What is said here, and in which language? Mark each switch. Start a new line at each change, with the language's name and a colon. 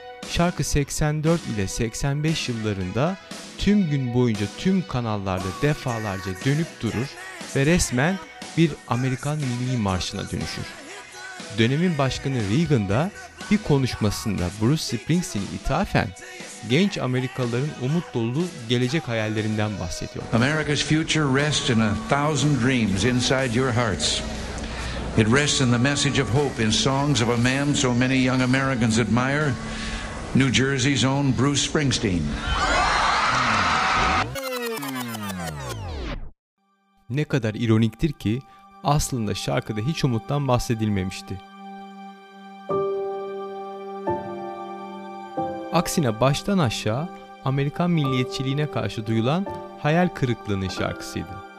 Turkish: Şarkı 84 ile 85 yıllarında tüm gün boyunca tüm kanallarda defalarca dönüp durur ve resmen bir Amerikan milli marşına dönüşür. Dönemin başkanı Reagan da bir konuşmasında Bruce Springsteen'e ithafen genç Amerikalıların umut dolu gelecek hayallerinden bahsediyor.
English: America's future rests in a thousand dreams inside your hearts. It rests in the message of hope in songs of a man so many young Americans admire, New Jersey's own Bruce Springsteen.
Turkish: Ne kadar ironiktir ki aslında şarkıda hiç umuttan bahsedilmemişti. Aksine baştan aşağı Amerikan milliyetçiliğine karşı duyulan hayal kırıklığının şarkısıydı.